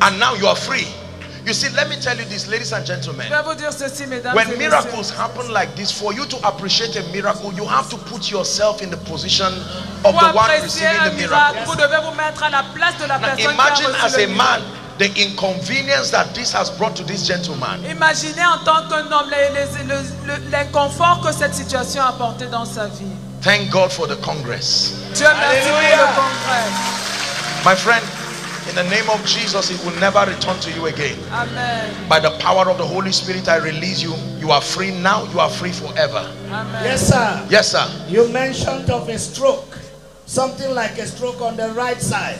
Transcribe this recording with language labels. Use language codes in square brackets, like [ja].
[en] and now you are free. You see, let me tell you this, ladies and gentlemen. When miracles happen like this, for you to appreciate a miracle, you have to put yourself in the position of the one receiving the miracle. Now, imagine as a man the inconvenience that this has brought to this gentleman. [fr] Imaginez en tant qu'un homme l'inconfort que cette situation a apporté dans sa vie. [en] Thank God for the Congress. [fr] Dieu merci pour le Congress. [en] My friend, in the name of Jesus, it will never return to you again. Amen. By the power of the Holy Spirit, I release you. You are free now. You are free forever. Amen. Yes, sir. Yes, sir. You mentioned of a stroke, something like a stroke on the right side.